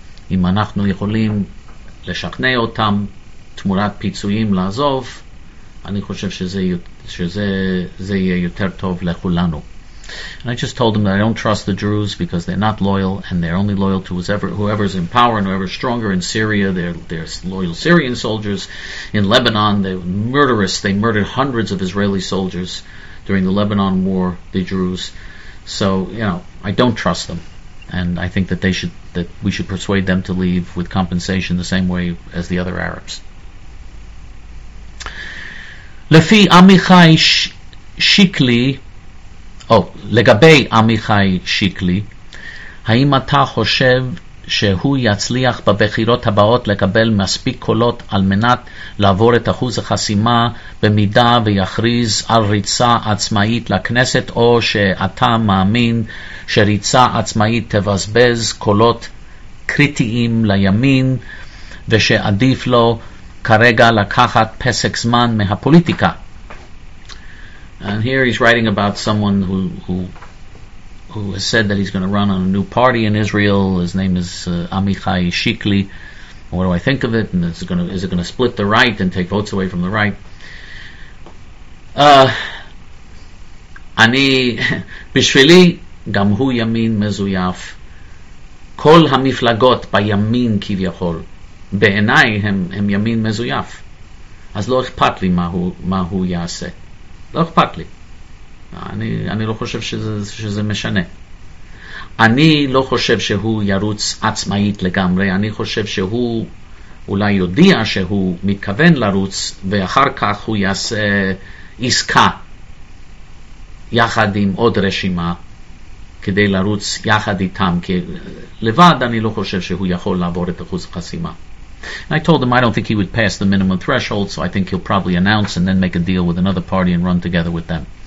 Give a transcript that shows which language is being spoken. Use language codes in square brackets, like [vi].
[he] אם אנחנו יכולים לשכנע אותם תמורת פיצויים לעזוב, אני חושב שזה יהיה יותר טוב לכולנו. [en] And I just told him that I don't trust the Druze because they're not loyal, and they're only loyal to whoever's in power and whoever's stronger in Syria. They're loyal Syrian soldiers. In Lebanon, they were murderous. They murdered hundreds of Israeli soldiers during the Lebanon War, the Druze. So, you know, I don't trust them. And I think that we should persuade them to leave with compensation the same way as the other Arabs. [he] לפי עמיחי שיקלי, לגבי עמיחי שיקלי, האם אתה חושב שהוא יצליח בבחירות הבאות לקבל מספיק קולות על מנת לעבור את אחוז החסימה במידה ויכריז על ריצה עצמאית לכנסת, או שאתה מאמין שריצה עצמאית תבזבז קולות קריטיים לימין ושעדיף לו כרגע לקחת פסק זמן מהפוליטיקה? [en] And here he's writing about someone who has said that he's going to run on a new party in Israel. His name is Amichai Shikli. What do I think of it? And is it going to split the right and take votes away from the right? [he] אני בשבילי גם הוא ימין מזויף. כל המפלגות בימין כביכול בעיניי הם ימין מזויף. אז לא אכפת לי מה הוא יעשה. לא אכפת לי. אני לא חושב שזה משנה. אני לא חושב שהוא ירוץ עצמאית לגמרי. אני חושב שהוא אולי יודע שהוא מתכוון לרוץ, ואחר כך הוא יעשה עסקה יחד עם עוד רשימה כדי לרוץ יחד איתם. כי לבד אני לא חושב שהוא יכול לעבור את אחוז החסימה. [en] And I told him I don't think he would pass the minimum threshold, so I think he'll probably announce and then make a deal with another party and run together with them.